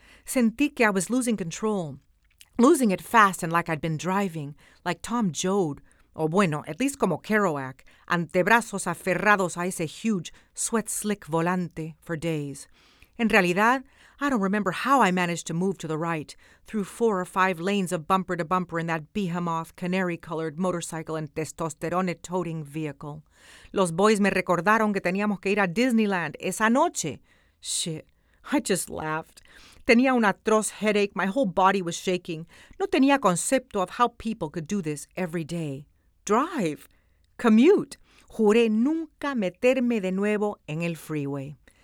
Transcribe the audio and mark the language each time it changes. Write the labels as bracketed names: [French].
[Spanish] Sentí que [English] I was losing control, losing it fast and like I'd been driving, like Tom Joad, or [Spanish] bueno, [English] at least [Spanish] como [English] Kerouac, [Spanish] antebrazos aferrados a ese [English] huge, sweat-slick [Spanish] volante [English] for days. [Spanish] En realidad, [English] I don't remember how I managed to move to the right, through four or five lanes of bumper-to-bumper in that behemoth, canary-colored motorcycle and testosterone-toting vehicle. [Spanish] Los boys me recordaron que teníamos que ir a Disneyland esa noche. [English] Shit, I just laughed. [Spanish] Tenía un atroz [English] headache. My whole body was shaking. [Spanish] No tenía concepto [English] of how people could do this every day. Drive. commute. [Spanish] Juré nunca meterme de nuevo en el freeway.